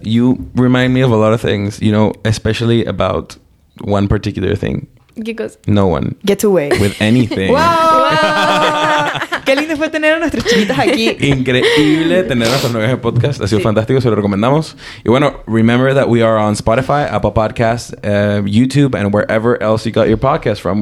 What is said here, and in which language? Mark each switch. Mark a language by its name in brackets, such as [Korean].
[English] You remind me of a lot of things, you know, especially about one particular thing. [Spanish] ¿Qué cosa? [English] No one. Get away. With anything. ¡Wow! [Spanish] ¡Qué lindo fue tener a nuestras chiquitas aquí! Increíble tener a nuestras novias en podcast. Ha sido fantástico, se lo recomendamos. [English] Y bueno, remember that we are on Spotify, Apple Podcasts, YouTube, and wherever else you got your podcast from.